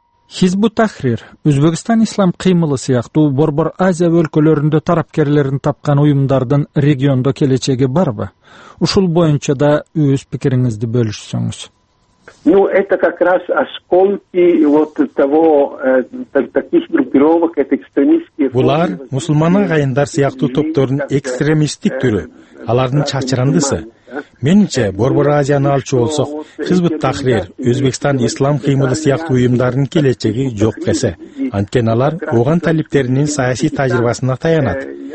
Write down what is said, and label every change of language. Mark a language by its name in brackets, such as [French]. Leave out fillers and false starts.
[Kyrgyz] Хизбу Тахрир, Өзбекстан ислам кыймылы сыяктуу борбор Азия өлкөлөрүндө тарапкерлерин тапкан уюмдардын региондо келечеги барбы? Ушул боюнча да өз пикириңизди бөлүшсөңүз. [Russian] Ну, это как раз осколки вот того таких группировок, это экстремистские формы. [Kyrgyz] Булар мусулман агайындар сыяктуу топтордун экстремисттик түрү, алардын чачырандысы. Менинче борбор Азияны алчу болсок, Хизбут Тахрир, Өзбекстан ислам кыймылы сыяктуу уюмдардын келечеги жок эсе. Анткени алар Ооган талиптеринин саясий тажрыйбасына таянат.